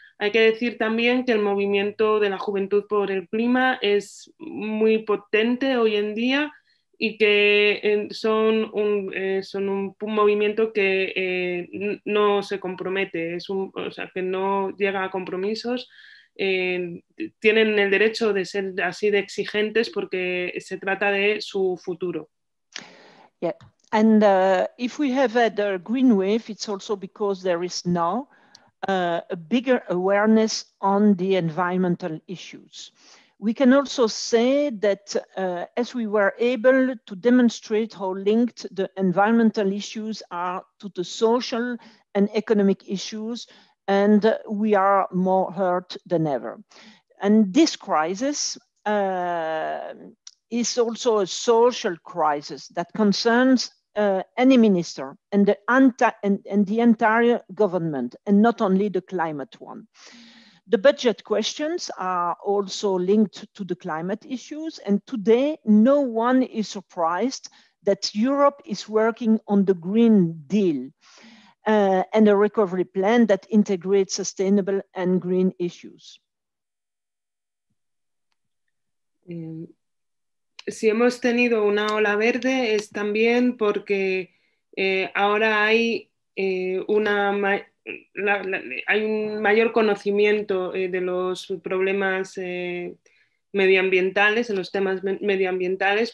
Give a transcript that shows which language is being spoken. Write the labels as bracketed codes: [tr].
[es] Hay que decir también que el movimiento de la juventud por el clima es muy potente hoy en día y que son un movimiento que no se compromete, que no llega a compromisos. Tienen el derecho de ser así de exigentes porque se trata de su futuro. [en] Yeah, and if we have had a green wave, it's also because there is now a bigger awareness on the environmental issues. We can also say that as we were able to demonstrate how linked the environmental issues are to the social and economic issues, and we are more hurt than ever. And this crisis is also a social crisis that concerns any minister and the entire government, and not only the climate one. The budget questions are also linked to the climate issues, and today no one is surprised that Europe is working on the Green Deal and a recovery plan that integrates sustainable and green issues. [es] Si hemos tenido una ola verde es también porque ahora hay hay un mayor conocimiento de los problemas medioambientales, en los temas medioambientales.